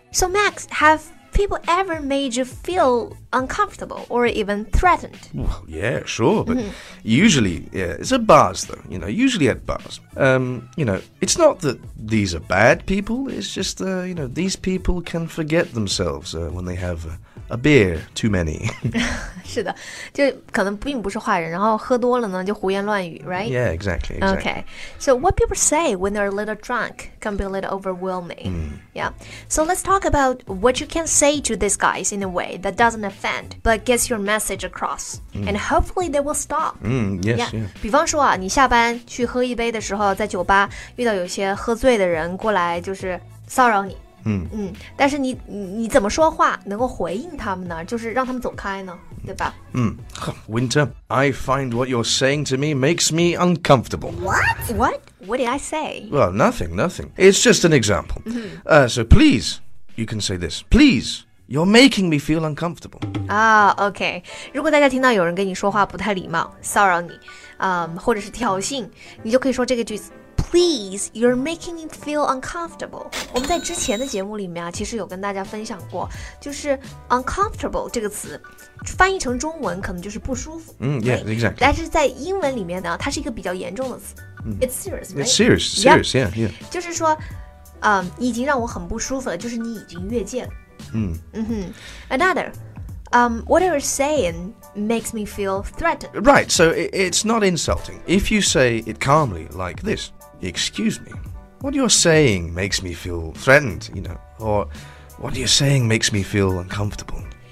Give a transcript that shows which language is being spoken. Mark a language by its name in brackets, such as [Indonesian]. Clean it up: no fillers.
[English] So Max, have people ever made you feel uncomfortable or even threatened? Well, yeah, sure, but usually, yeah, it's at bars though, you know, usually at bars. You know, it's not that these are bad people, it's just, you know, these people can forget themselves when they have a beer too many. [Chinese] 是的，就可能并不是坏人，然后喝多了呢，就胡言乱语 right? [English] Yeah, exactly, exactly. Okay, so what people say when they're a little drunk can be a little overwhelming. Yeah, so let's talk about what you can say to these guys in a way that doesn't offend, but gets your message across. And hopefully they will stop. Yes. [Chinese] 比方说啊，你下班去喝一杯的时候，在酒吧遇到有些喝醉的人过来就是骚扰你。但是你怎么说话能够回应他们呢？就是让他们走开呢，对吧？ [English] Winter, I find what you're saying to me makes me uncomfortable. What did I say? Well, nothing. It's just an example. So please, you can say this. Please, you're making me feel uncomfortable. Okay. [Chinese] 如果大家听到有人跟你说话不太礼貌，骚扰你，或者是挑衅，你就可以说这个句子。 Please, you're making me feel uncomfortable. 我们在之前的节目里面啊，其实有跟大家分享过，就是 uncomfortable 这个词，翻译成中文可能就是不舒服。 [English] Yeah, exactly. [Chinese] 但是在英文里面呢，它是一个比较严重的词。 [English] It's serious, right? It's serious, serious, yeah, yeah. [Chinese] 就是说，你已经让我很不舒服了，就是你已经越界了。 [English] Another, what you're saying makes me feel threatened. Right, so it's not insulting. If you say it calmly, like this. Excuse me, what you're saying makes me feel threatened, you know, or what you're saying makes me feel uncomfortable.